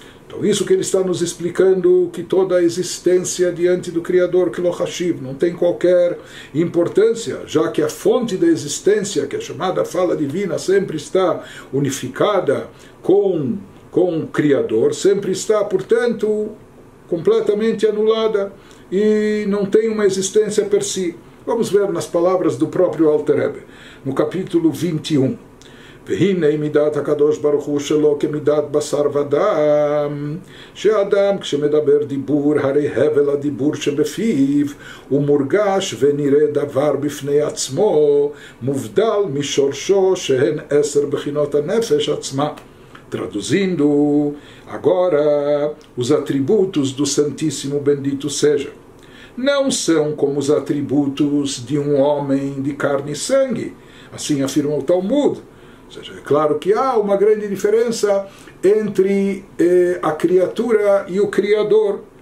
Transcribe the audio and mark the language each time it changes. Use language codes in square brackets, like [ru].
[pt] Então, isso que ele está nos explicando, que toda a existência diante do Criador, que Lohashiv, não tem qualquer importância, já que a fonte da existência, que é chamada fala divina, sempre está unificada com o Criador, sempre está, portanto, completamente anulada e não tem uma existência per si. Vamos ver nas palavras do próprio Alter Rebbe, no capítulo 21. [he] והנה מידת הקדוש ברוך הוא שלו כמידת בשר ודם, שאדם כשמדבר דיבור, הרי הבל הדיבור שבפיו, הוא מורגש ונראה דבר בפני עצמו, מובדל משורשו שהן עשר בחינות הנפש עצמה. [pt] Traduzindo, agora, os atributos do Santíssimo Bendito seja, não são como os atributos de um homem de carne e sangue, assim afirmou o Talmud. Ou seja, é claro que há uma grande diferença entre a criatura e o Criador.